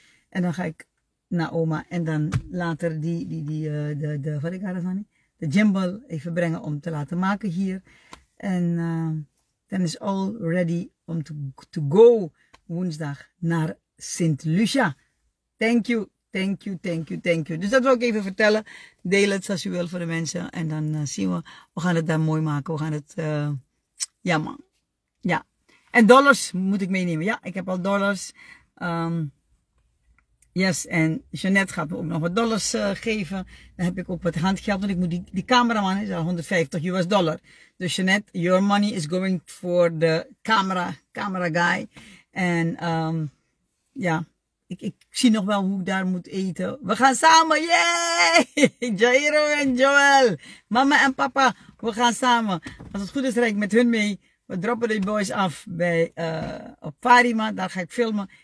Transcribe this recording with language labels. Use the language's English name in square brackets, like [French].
[Dutch] En dan ga ik naar oma. En dan later de gimbal even brengen om te laten maken hier. En dan is [English] all ready [Dutch] om to go woensdag naar Sint Lucia. [English] Thank you, thank you, thank you, thank you. [Dutch] Dus dat wil ik even vertellen. Deel het als u wil voor de mensen. En dan zien we. We gaan het daar mooi maken. We gaan het, ja man. Ja. En dollars moet ik meenemen. Ja, ik heb al dollars. Yes, en Jeanette gaat me ook nog wat dollars geven. Dan heb ik ook wat handgeld. Want ik moet die cameraman is al $150. [English] Dus Jeanette, your money is going for the camera guy. [Dutch] En ja, ik zie nog wel hoe ik daar moet eten. We gaan samen, yay! Jairo en Joel, mama en papa, we gaan samen. Als het goed is, rijd ik met hun mee. We droppen die boys af op Parima. Daar ga ik filmen.